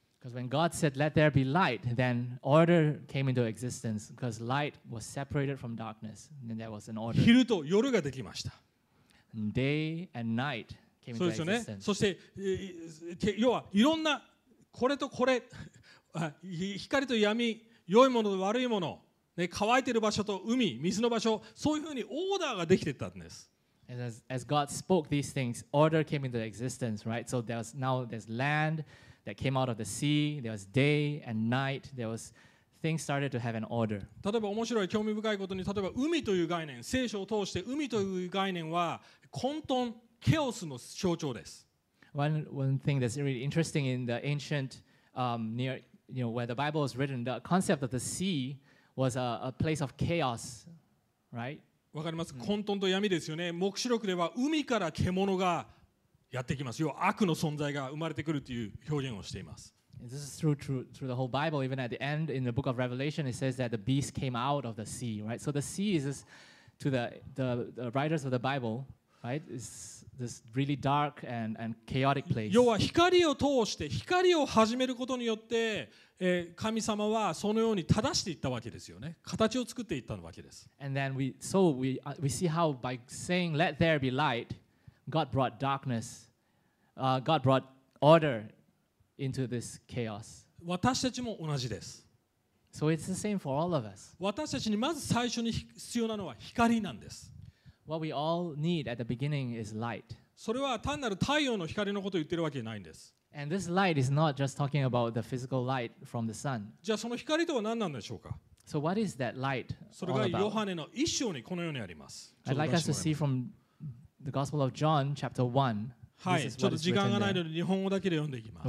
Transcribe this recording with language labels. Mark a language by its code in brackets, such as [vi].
[en] Because when God said, "Let there be light," then order came into existence. Because light was separated from darkness, then there was an order. [ja] 昼と夜ができました。 [en] Day and night came into existence. [ja] そして要はいろんなこれとこれ、光と闇、良いもの悪いもの。ね、乾いている場所と海、水の場所、そういうふうにオーダーができていったんです。 [en] As God spoke these things, order came into existence, right? So there's land that came out of the sea, there was day and night, there was things started to have an order. [ja] 例えば面白い、興味深いことに、例えば海という概念、聖書を通して海という概念は混沌、ケオスの象徴です。 [en] One thing that's really interesting in the ancient, where the Bible was written, the concept of the sea. Was a place of chaos, right? [ja] わかります。混沌と闇ですよね。黙示録では海から獣がやってきます。要は悪の存在が生まれてくるという表現をしています。 [en] This is through the whole Bible. Even at the end in the book of Revelation, it says that the beast came out of the sea, right? So the sea is this, to the writers of the Bible, right? It's this really dark and chaotic place. [ja] 要は光を通して光を始めることによって。神様はそのように正していったわけですよね。形を作っていったわけです。 [en] And then we see how by saying let there be light, God brought darkness, God brought order into this chaos. [ja] 私たちも同じです。 [en] So it's the same for all of us. [ja] 私たちにまず最初に必要なのは光なんです。 [en] What we all need at the beginning is light. [ja] それは単なる太陽の光のことを言ってるわけじゃないんです。 [en] And this light is not just talking about the physical light from the sun. [ja] じゃあその光とは何なんでしょうか? [en] So what is that light all about? [ja] それがヨハネの一章にこのようにあります。 [en] I'd like us to see from the Gospel of John, chapter 1. [ja] はい、ちょっと時間がないので日本語だけで読んでいきます。